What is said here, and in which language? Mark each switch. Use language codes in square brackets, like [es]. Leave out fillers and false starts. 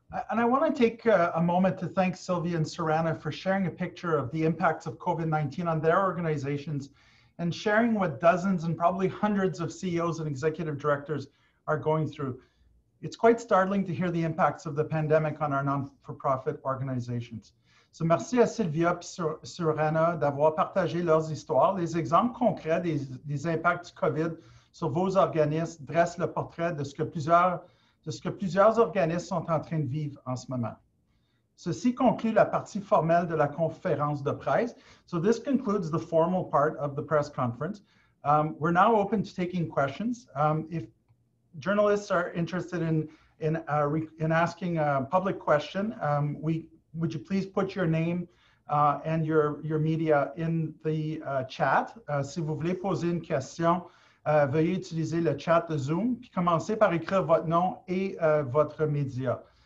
[en] And I want to take a moment to thank Sylvia and Sarana for sharing a picture of the impacts of COVID-19 on their organizations and sharing what dozens and probably hundreds of CEOs and executive directors are going through. It's quite startling to hear the impacts of the pandemic on our non-for-profit organizations. [fr] So merci à Sylvia et Sarana d'avoir partagé leurs histoires. Les exemples concrets des impacts du COVID sur vos organismes dressent le portrait de ce que plusieurs organismes sont en train de vivre en ce moment. Ceci conclut la partie formelle de la conférence de presse. [en] So this concludes the formal part of the press conference. We're now open to taking questions. If journalists are interested in asking a public question, would you please put your name and your media in the chat. [fr] Si vous voulez poser une question, veuillez utiliser le chat de Zoom, puis commencez par écrire votre nom et votre média.